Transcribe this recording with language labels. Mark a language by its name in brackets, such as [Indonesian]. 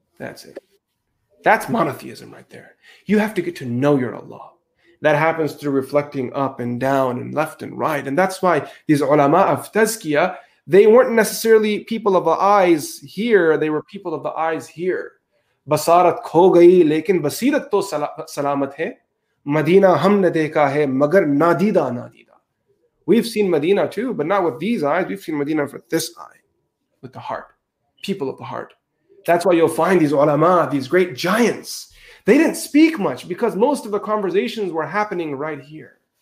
[English] That's it. That's monotheism right there. You have to get to know your Allah. That happens through reflecting up and down and left and right. And that's why these ulama of tazkiyah, they weren't necessarily people of the eyes here. They were people of the eyes here. [Urdu] بصارت کھو گئی، لیکن بصیرت تو سلامت ہے۔ مدینہ ہم نے دیکھا ہے، مگر نادیدہ نادیدہ۔ [English] We've seen Medina too, but not with these eyes. We've seen Medina with this eye, with the heart, people of the heart. That's why you'll find these ulama, these great giants. They didn't speak much because most of the conversations were happening right here.